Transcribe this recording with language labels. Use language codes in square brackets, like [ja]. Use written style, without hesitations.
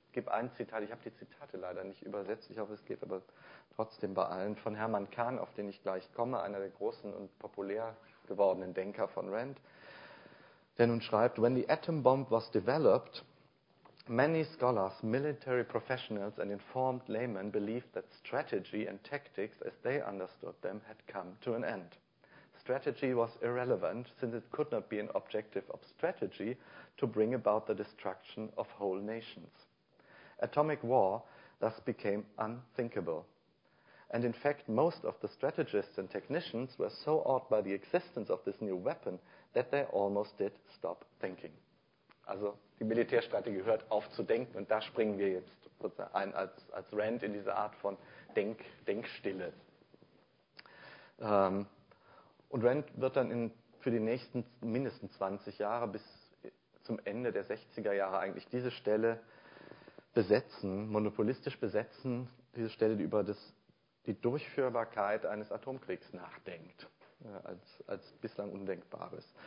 [de] gebe ein Zitat, ich habe die Zitate leider nicht übersetzt, ich hoffe, es geht aber trotzdem bei allen, von Hermann Kahn, auf den ich gleich komme, einer der großen und populär gewordenen Denker von Rand, der nun schreibt: [en] When the atom bomb was developed, many scholars, military professionals and informed laymen believed that strategy and tactics, as they understood them, had come to an end. Strategy was irrelevant, since it could not be an objective of strategy to bring about the destruction of whole nations. Atomic war thus became unthinkable. And in fact, most of the strategists and technicians were so awed by the existence of this new weapon that they almost did stop thinking. [de] Also die Militärstrategie hört auf zu denken, und da springen wir jetzt ein als Rand in diese Art von Denkstille. Und Rand wird dann für die nächsten mindestens 20 Jahre bis zum Ende der 60er Jahre eigentlich diese Stelle besetzen, monopolistisch besetzen, diese Stelle, die über die Durchführbarkeit eines Atomkriegs nachdenkt, als bislang Undenkbares.